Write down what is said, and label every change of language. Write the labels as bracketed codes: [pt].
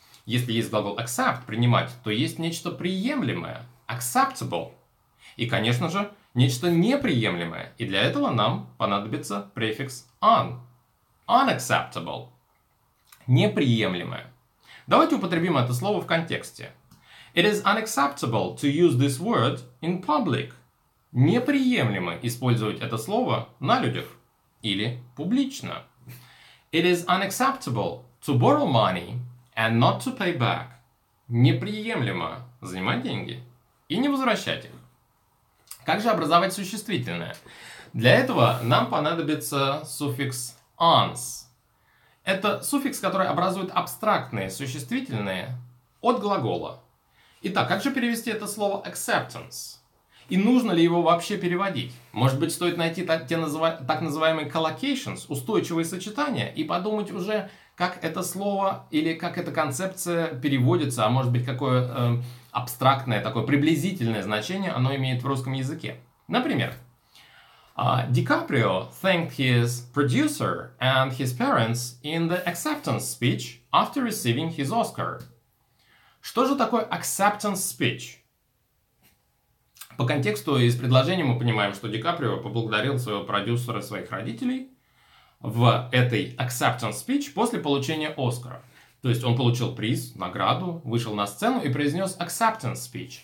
[ru] Если есть глагол accept – принимать, то есть нечто приемлемое – acceptable. И, конечно же, нечто неприемлемое, и для этого нам понадобится префикс un. Unacceptable. Неприемлемое. Давайте употребим это слово в контексте. [en] It is unacceptable to use this word in public. [ru] Неприемлемо использовать это слово на людях или публично. [en] It is unacceptable to borrow money and not to pay back. [ru] Неприемлемо занимать деньги и не возвращать их. Как же образовать существительное? Для этого нам понадобится суффикс uns. Это суффикс, который образует абстрактные существительные от глагола. Итак, как же перевести это слово acceptance? И нужно ли его вообще переводить? Может быть, стоит найти так называемые collocations, устойчивые сочетания, и подумать уже, как это слово или как эта концепция переводится, а может быть, какое абстрактное, такое приблизительное значение оно имеет в русском языке. Например, Ди Каприо [en] thanked his producer and his parents in the acceptance speech after receiving his Oscar. [ru] Что же такое [en] acceptance speech? [ru] По контексту из предложения мы понимаем, что Ди Каприо поблагодарил своего продюсера и своих родителей в этой [en] acceptance speech [ru] после получения Оскара. То есть он получил приз, награду, вышел на сцену и произнес [en] acceptance speech.